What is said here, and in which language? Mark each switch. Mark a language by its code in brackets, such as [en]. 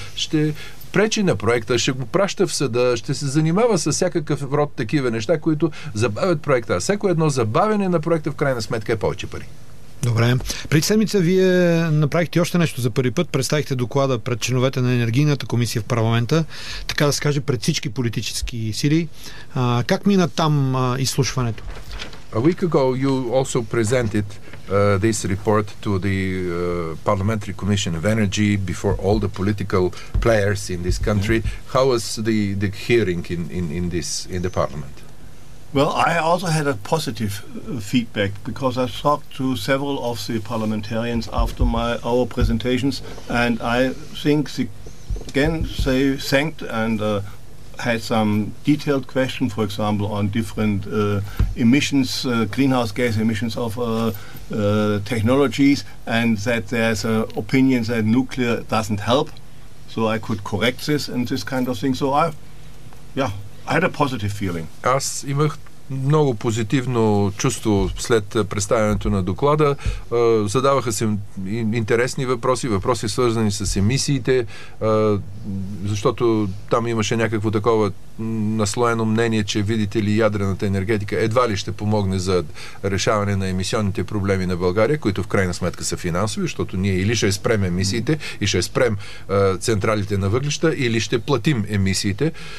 [bg] Ще пречи на проекта, ще го праща в съда, ще се занимава с всякакъв род такива неща, които забавят проекта. А всяко едно забавяне на проекта в крайна сметка е повече пари. Добре. Преди седмица вие направихте още нещо за първи път. Представихте доклада пред членовете на енергийната комисия в парламента, така да се каже, пред всички политически сили. Как мина там изслушването? [en] A week ago, you also presented this report to the Parliamentary Commission of Energy before all the political players in this country. Mm-hmm. How was the hearing in the Parliament? Well, I also had a positive feedback because I talked to several of the parliamentarians after our presentations, and I think they thanked and had some detailed question, for example, on different emissions, greenhouse gas emissions of technologies, and that there's an opinion that nuclear doesn't help. So I could correct this and this kind of thing. So I had a positive feeling. [bg] As много позитивно чувство след представянето на доклада. Задаваха се интересни въпроси свързани с емисиите, защото там имаше някакво такова наслоено мнение, че видите ли ядрената енергетика едва ли ще помогне за решаване на емисионните проблеми на България, които в крайна сметка са финансови, защото ние или ще спрем емисиите и ще спрем централите на въглища, или ще платим емисиите.